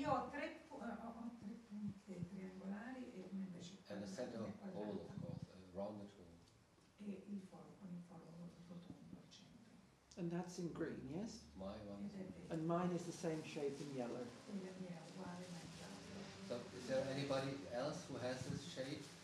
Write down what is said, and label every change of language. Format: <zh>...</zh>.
<it>Io ho tre punte triangolari e una invece.</it> <en>And the center hole, of course, around the hole.</en> <it>E il foro, con il foro rotondo al centro.</it> <en>And that's in green, yes? My one. And mine is the same shape in yellow. So is there anybody else who has this shape?</en>